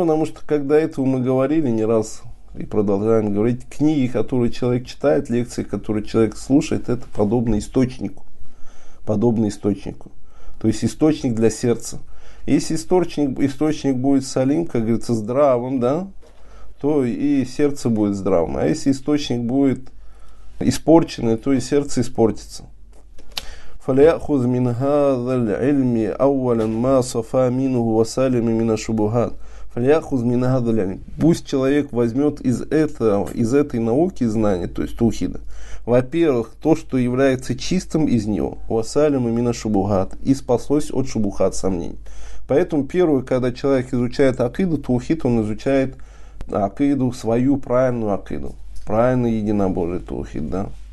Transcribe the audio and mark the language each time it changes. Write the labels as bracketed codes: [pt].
[ru] Потому что когда этого мы говорили не раз и продолжаем говорить, книги, которые человек читает, лекции, которые человек слушает, это подобно источнику. Подобно источнику. То есть источник для сердца. Если источник будет салим, как говорится, здравым, да, то и сердце будет здравым. А если источник будет испорченный, то и сердце испортится. [ar] فليأخذ من هذا العلم أولا ما صفى منه وسالم من الشبهات. فليأخذ من هذا العلم. [ru] Пусть человек возьмет из этой науки знания, то есть тухида, во-первых, то, что является чистым из него, [ar] وسالم من الشبهات, [ru] и спаслось от шубухат, сомнений. Поэтому первое, когда человек изучает акиду, тухид, он изучает акиду, свою правильную акиду, правильный единобожий тухид, да.